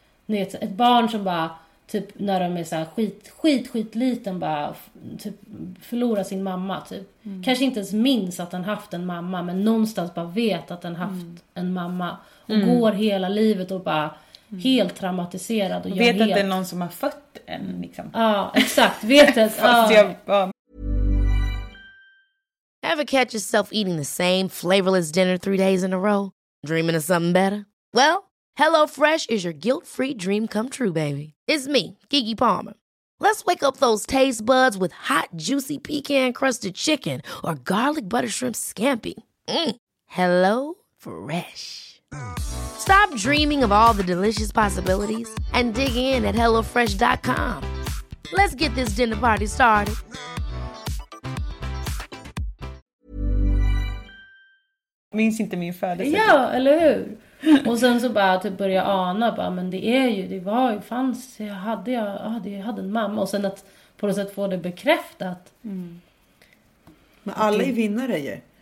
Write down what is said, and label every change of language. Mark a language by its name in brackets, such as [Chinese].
[Swedish] Ett barn som bara, typ när de är så här skitliten bara typ förlorar sin mamma typ. Mm. Kanske inte ens minns att den haft en mamma, men någonstans bara vet att den haft en mamma. Och går hela livet och bara helt traumatiserad. Och vet att det är någon som har fött en liksom. Ja, exakt. Vet att, [English] Ever catch yourself eating the same flavorless dinner 3 days in a row? Dreaming of something better? Well, HelloFresh is your guilt-free dream come true, baby. It's me, Keke Palmer. Let's wake up those taste buds with hot, juicy pecan-crusted chicken or garlic butter shrimp scampi. Mm. Hello Fresh. Stop dreaming of all the delicious possibilities and dig in at HelloFresh.com. Let's get this dinner party started. [Swedish] Minns inte min födelsedag. Ja, eller hur? Och sen så bara typ börja ana, bara, men det är ju, det var ju, fanns, jag hade en mamma. Och sen att på något sätt få det bekräftat. Mm. Men alla är vinnare ju.